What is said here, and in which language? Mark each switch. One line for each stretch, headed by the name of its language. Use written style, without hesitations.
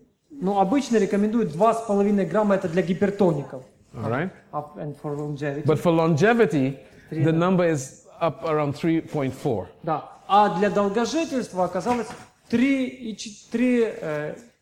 Russian: Ну, обычно рекомендуют 2.5 грамма, это для гипертоников.
English: All right. And for longevity. But for longevity, the number is up around 3.4.
Russian: Да. А для долгожительства оказалось 3.4.